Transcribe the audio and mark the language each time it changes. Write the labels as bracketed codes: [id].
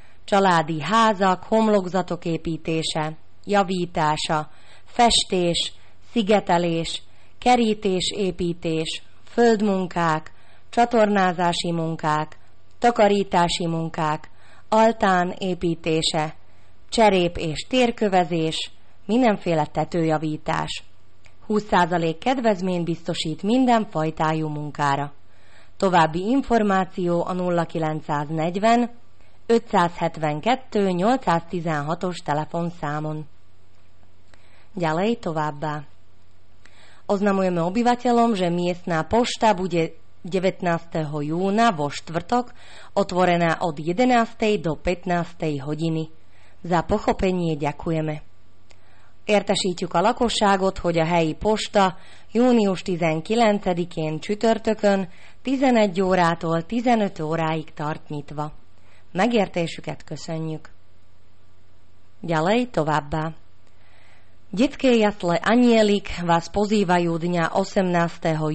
[hu] Családi házak, homlokzatok építése, javítása, festés, szigetelés, kerítés építés, földmunkák, csatornázási munkák, takarítási munkák, altán építése, cserép és térkövezés, mindenféle tetőjavítás. 20% kedvezményt biztosít minden fajtájú munkára. További információ a 0940 572 816-os telefonszámon. [sk] Ďalej [hu] továbbá. [sk] Oznamujeme obyvateľom, že miestná pošta bude 19. júna vo štvrtok otvorená od 11. do 15. hodiny. Za pochopenie ďakujeme. [hu] Értesítjük a lakosságot, hogy a helyi posta június 19-én csütörtökön 11 órától 15 óráig tart nyitva. Megértésüket köszönjük. [sk] Ďalej [hu] továbbá. [sk] Detské jasle Anielik vás pozývajú dňa 18.